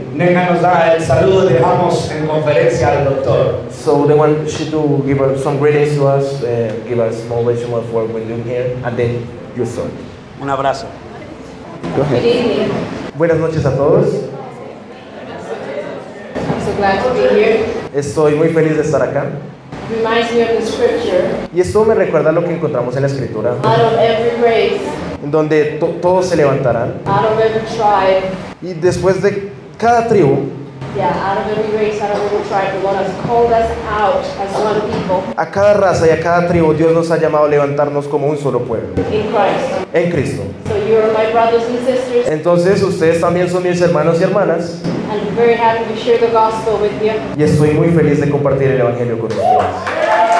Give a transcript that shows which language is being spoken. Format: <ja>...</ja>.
<es>Venga, nos da el saludo, dejamos en conferencia al doctor.</es> <en>So they want you to give us some greetings to us, give us a small lesson of what we're doing here, and then you start.</en> <es>Un abrazo.</es> <en>Go ahead. Good evening.</en> <es>Buenas noches a todos.</es> <en>I'm so glad to be here.</en> <es>Estoy muy feliz de estar acá.</es> <en>Reminds me of the scripture.</en> <es>Y esto me recuerda lo que encontramos en la escritura.</es> <en>Out of every race.</en> <es>En donde todos se levantarán.</es> <en>Out of every tribe.</en> <es>Y después de cada tribu.</es> <en>Yeah, out of every race, out of every tribe, the Lord has called us out as one people.</en> <es>A cada raza y a cada tribu, Dios nos ha llamado a levantarnos como un solo pueblo.</es> <en>In Christ.</en> <es>En Cristo.</es> <en>So you are my brothers and sisters.</en> <es>Entonces ustedes también son mis hermanos y hermanas.</es> <en>And I'm very happy to share the gospel with you.</en> <es>Y estoy muy feliz de compartir el evangelio con ustedes.</es>